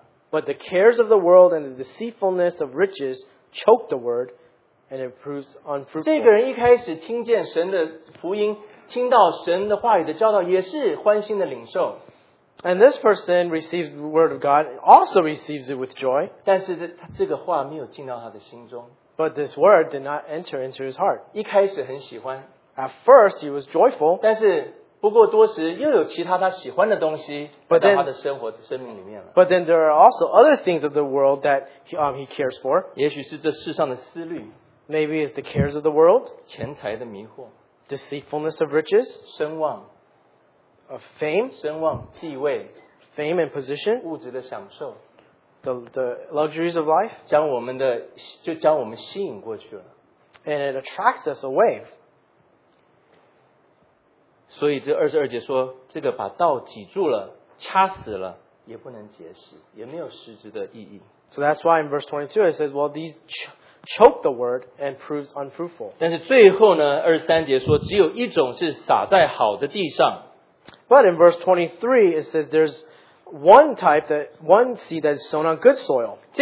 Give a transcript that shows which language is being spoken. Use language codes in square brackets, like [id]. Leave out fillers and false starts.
[en] but the cares of the world and the deceitfulness of riches choke the word, and it proves unfruitful. [zh] 这个人一开始听见神的福音, 听到神的话语的教导, [en] and this person receives the word of God, also receives it with joy. [zh] 但是这个话没有进到他的心中, [en] but this word did not enter into his heart. [zh] 一开始很喜欢, [en] at first he was joyful. [zh] 但是不过多时又有其他他喜欢的东西, [en] but then there are also other things of the world that he cares for. [zh] 也许是这世上的思虑, [en] maybe it's the cares of the world. [zh] 钱财的迷惑, [en] deceitfulness of riches. [zh] 声望, [en] of fame, [zh] 声望, 地位, [en] fame and position, [zh] 物质的享受, [en] the luxuries of life, [zh] 将我们的, 就将我们吸引过去了, [en] and it attracts us away. [zh] 所以这22节说, 这个把道挤住了, 掐死了, 也不能结实, 也没有实质的意义。 [en] So that's why in verse 22 it says, well, these choke the word and proves unfruitful. [zh] 但是最后呢, 23节说, 只有一种是撒在好的地上。 [en] But in verse 23, it says there's one type, that one seed that is sown on good soil.